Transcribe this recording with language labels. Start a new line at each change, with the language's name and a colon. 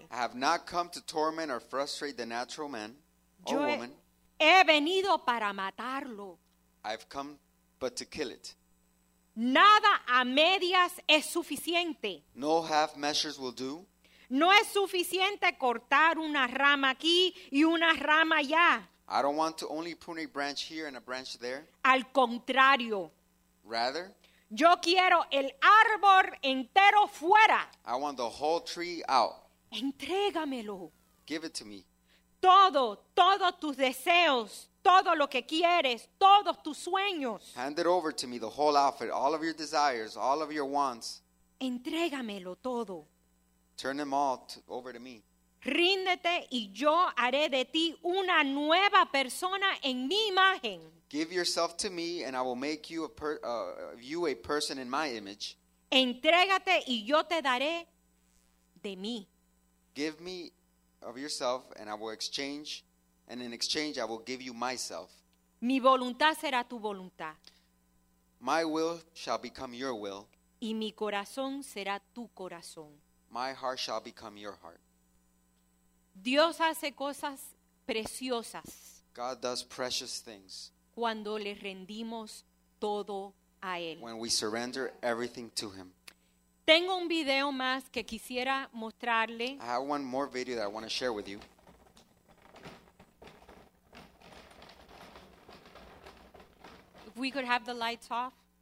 English: I have not come to torment or frustrate the natural man or woman.
Spanish: He venido para matarlo.
English: I've come but to kill it.
Spanish: Nada a medias es suficiente.
English: No half measures will do.
Spanish: No es suficiente cortar una rama aquí y una rama allá.
English: I don't want to only prune a branch here and a branch there.
Spanish: Al contrario.
English: Rather.
Spanish: Yo quiero el árbol entero fuera.
English: I want the whole tree out.
Spanish: Entrégamelo.
English: Give it to me.
Spanish: Todos tus deseos. Todo lo que quieres, todos tus sueños.
English: Hand it over to me, the whole outfit, all of your desires, all of your wants.
Spanish: Entrégamelo todo.
English: Turn them all over to me.
Spanish: Ríndete y yo haré de ti una nueva persona en mi imagen.
English: Give yourself to me and I will make you a person in my image.
Spanish: Entrégate y yo te daré de mí.
English: Give me of yourself and I will exchange. And in exchange, I will give you myself.
Spanish: Mi voluntad será tu voluntad.
English: My will shall become your will.
Spanish: Y mi corazón será tu corazón.
English: My heart shall become your heart.
Spanish: Dios hace cosas preciosas.
English: God does precious things.
Spanish: Cuando le rendimos todo a Él.
English: When we surrender everything to Him.
Spanish: Tengo un video más que quisiera mostrarle.
English: I have one more video that I want to share with you. If we could have the lights off.